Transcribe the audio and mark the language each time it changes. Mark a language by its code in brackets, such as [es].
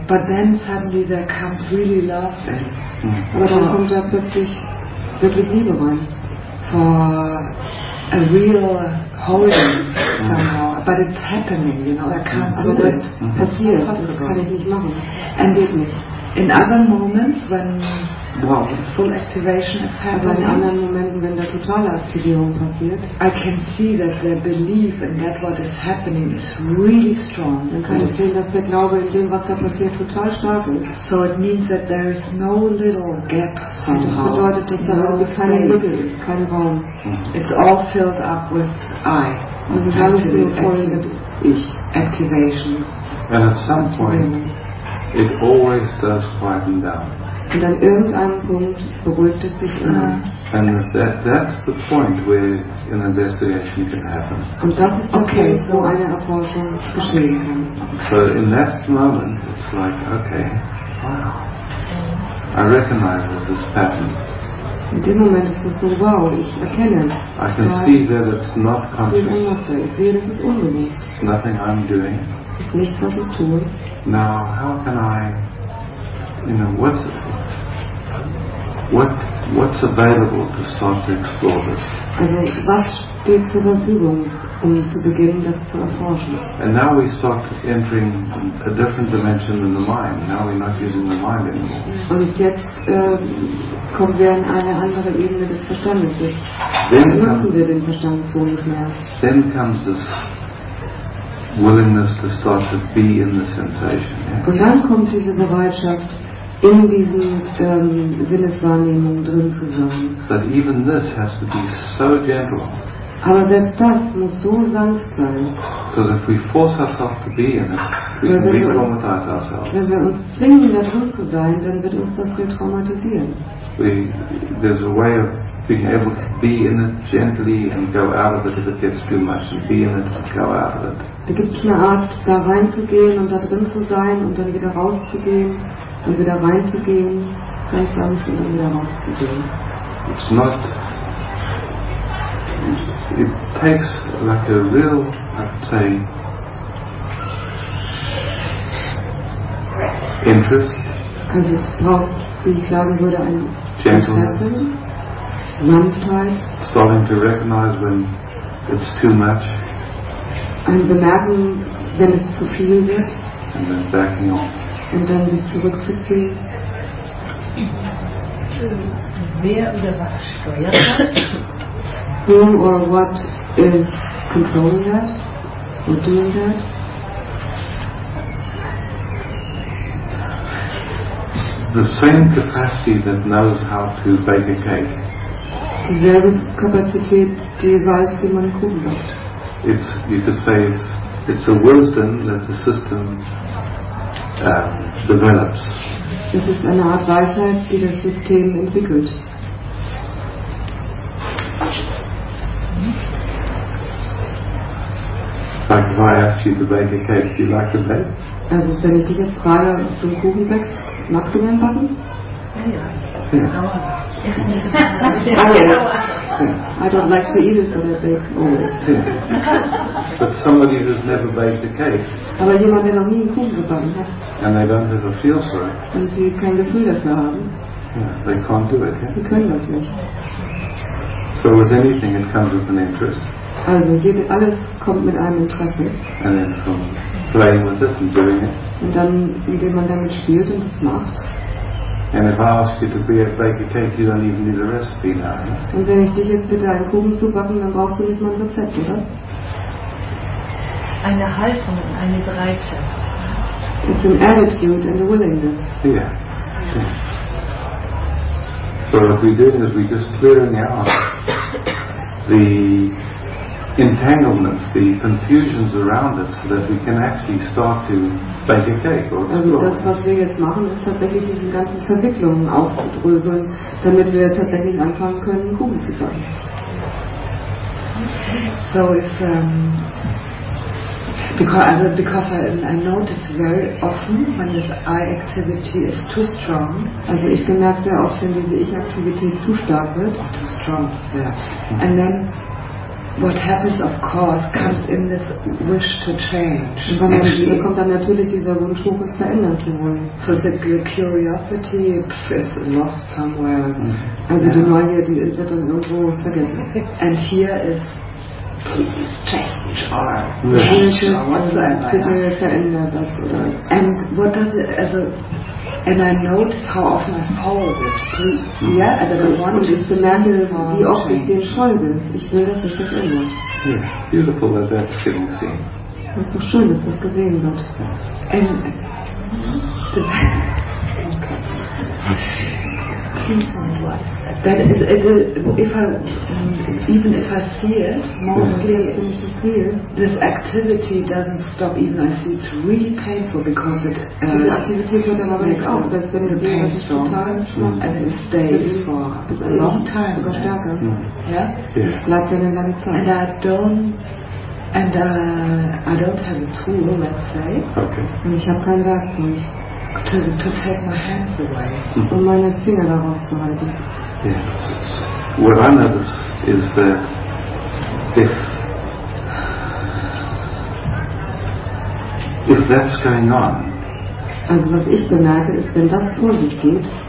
[en] But then suddenly there comes really love in. [de] Aber dann kommt da plötzlich wirklich Liebe rein. [en] For a real holding somehow. But it's happening, you know, I can't do it. [de] Passiert, das kann ich nicht machen. [en] And in other moments, when full activation is happening, [de] in anderen Momenten, wenn der totale Aktivierung passiert, [en] I can see that the belief in that what is happening is really strong. [de] Dann kann ich sehen, dass der Glaube in dem, was da passiert, total stark ist. [en] So it means that there is no little gap somehow. [de] Das bedeutet, dass da überhaupt keine Lücke ist, kein Raum. [en] It's all filled up with I. [de] Und es ist alles nur voll mit ich. [en] Activations. And at some point, it always does quieten down. [de] Und an irgendeinem Punkt beruhigt es sich immer. [en] And that's the point where an investigation can happen. [de] Und das ist der Punkt, wo eine Erforschung geschehen kann. [en] So in that moment, it's like, okay, wow, I recognize this pattern. [de] In dem Moment ist das so, wow, ich erkenne. [en] I can see that it's not conscious. [de] Ich sehe, das ist unbewusst. [en] It's nothing I'm doing. [de] Ist nichts, was ich tue. [en] Now, how can I, you know, what's available to start to explore this? [de] Also, was steht zur Verfügung, um zu beginnen, das zu erforschen? [en] And now we start entering a different dimension than the mind. Now we're not using the mind anymore. [de] Und jetzt kommen wir in eine andere Ebene des Verstandes. [en] Then [de] nutzen wir den Verstand so nicht mehr. [en] Then comes this willingness to start to be in the sensation. Yeah? [de] Und dann kommt diese Bereitschaft, in diesen Sinneswahrnehmungen drin zu sein. [en] But even this has to be so gentle. [de] Aber selbst das muss so sanft sein. [en] Because if we force ourselves to be in it, we can re-traumatize ourselves. [de] Wenn wir uns zwingen, da drin zu sein, dann wird uns das re-traumatisieren. [en] There's a way of being able to be in it gently and go out of it if it gets too much, and be in it and go out of it. [de] Da gibt es eine Art, da reinzugehen und da drin zu sein und dann wieder rauszugehen. Und wieder reinzugehen, ganz sanft und wieder rauszugehen. [en] It's not. It takes like a real, I'd say, interest. [de] Also es braucht, wie ich sagen würde, ein [en] Gentleness, [de] Sanftheit. [en] Starting to recognize when it's too much. [de] Ein Bemerken, wenn es zu viel wird. [en] And then backing off. [de] Und dann sich zurückzuziehen. Wer oder was steuert das? [en] Whom or what is controlling that? Or doing that? The same capacity that knows how to bake a cake. [de] Dieselbe Kapazität, die weiß, wie man Kuchen macht. [en] It's, you could say it's a wisdom that the system develops. [de] Es ist eine Art Weisheit, die das System entwickelt. [en] Like if I ask you to bake a cake, do you like the bake? [de] Also wenn ich dich jetzt frage, ob du einen Kuchen bäckst, magst du mir einen backen? Ja. Ja. [en] Oh, yeah. I don't like to eat it, but I bake always. But somebody who's never baked a cake. [de] Aber jemand, der noch nie einen Kuchen gebacken hat. [en] And they don't have a feel for it. [de] Und sie kein Gefühl dafür haben. [en] Yeah, they can't do it. Yeah? [de] Sie können das nicht. [en] So with anything, it comes with an interest. [de] Also alles kommt mit einem Interesse. [en] And then from playing with it and doing it. [de] Und dann, indem man damit spielt und es macht. [en] And if I ask you to bake a cake, you don't even need a recipe now. Yeah? [de] Und wenn ich dich jetzt bitte einen Kuchen zu backen, dann brauchst du nicht mal ein Rezept, oder? Eine Haltung, eine Bereitschaft. [en] It's an attitude and a willingness. Yeah. Yeah. So what we do is we just clearing out the entanglements, the confusions around it, so that we can actually start to bake a cake or explore. [de] Also das, was wir jetzt machen, ist tatsächlich diese ganzen Verwicklungen aufzudröseln, damit wir tatsächlich anfangen können, Kuchen zu backen. [en] So if Because I notice very often when this I activity is too strong. [de] Also ich bemerke sehr oft, wenn diese Ich-Aktivität zu stark wird. [en] Oh, too strong. Yes. And then what happens, of course, comes in this wish to change. [de] Und dann kommt dann natürlich dieser Wunsch, es verändern zu wollen. [en] So that the curiosity is lost somewhere. Mm-hmm. [de] Also die Neugier, die wird dann irgendwo vergessen. [en] And here is please change or change [de] whatsoever. Bitte verändere das. [en] And what does it, also, and I notice how often I follow this. Yeah, that I want to just [de] bemerke, wie oft ich dem folge. Ich will, dass ich das ändere. [en] Yeah, beautiful that that's getting seen. [de] Das ist so schön, dass das gesehen wird. [en] And if I see it, this activity doesn't stop even. I see it's really painful because it makes the pain strong and it stays for a long time. Yeah. And I don't have a tool, let's say. Okay. [de] Und ich habe kein Werkzeug. [en] To take my hands away. [de] Um meine Finger daraus zu halten. [en] Yes. What I notice is that if that's going on, [de] also was ich bemerke, ist, wenn das vor sich geht,